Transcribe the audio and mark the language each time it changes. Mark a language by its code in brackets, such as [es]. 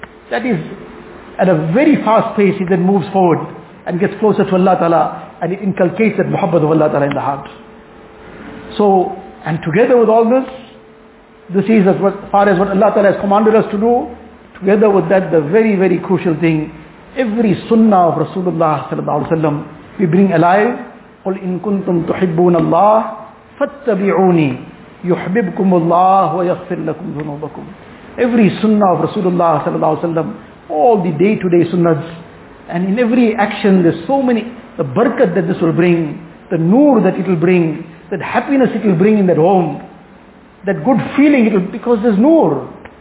[en] That is at a very fast pace, he then moves forward and gets closer to Allah Ta'ala, and it inculcates that muhabbat of Allah Ta'ala in the heart. So, and together with all this, this is as far as what Allah Ta'ala has commanded us to do. Together with that, the very, very crucial thing, every sunnah of Rasulullah Sallallahu Alaihi Wasallam, we bring alive. [ar] قُلْ إِن كُنْتُمْ تُحِبُّونَ اللَّهِ فَاتَّبِعُونِي يحببكم الله ويغفر لكم ذنوبكم. [en] Every sunnah of Rasulullah sallallahu alaihi wasallam, all the day-to-day sunnahs, and in every action there's so many, the barakah that this will bring, the nur that it will bring, that happiness it will bring in that home, that good feeling it will, because there's nur.